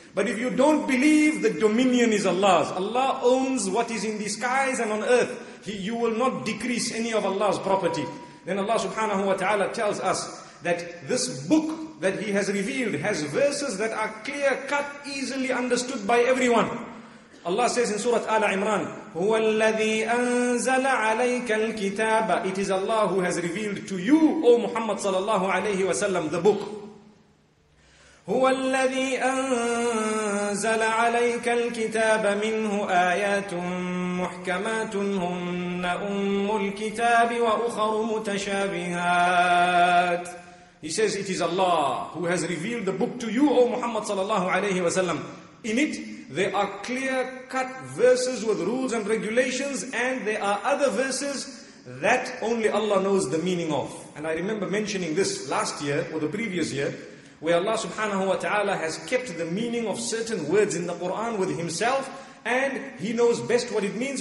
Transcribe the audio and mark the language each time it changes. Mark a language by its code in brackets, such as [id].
[en] But if you don't believe, the dominion is Allah's. Allah owns what is in the skies and on earth. You will not decrease any of Allah's property. Then Allah subhanahu wa ta'ala tells us that this book that He has revealed has verses that are clear cut, easily understood by everyone. Allah says in Surah Ala Imran, [ar] هو الذي أنزل عليك الكتاب. [en] It is Allah who has revealed to you, O Muhammad sallallahu alayhi wa sallam, the book. [ar] هو الذي أنزل عليك الكتاب منه آيات محكمات هن أم الكتاب وأخر متشابهات. [en] He says, it is Allah who has revealed the book to you, O Muhammad sallallahu alayhi wa sallam. In it, there are clear-cut verses with rules and regulations, and there are other verses that only Allah knows the meaning of. And I remember mentioning this last year or the previous year, where Allah subhanahu wa ta'ala has kept the meaning of certain words in the Quran with Himself, and He knows best what it means.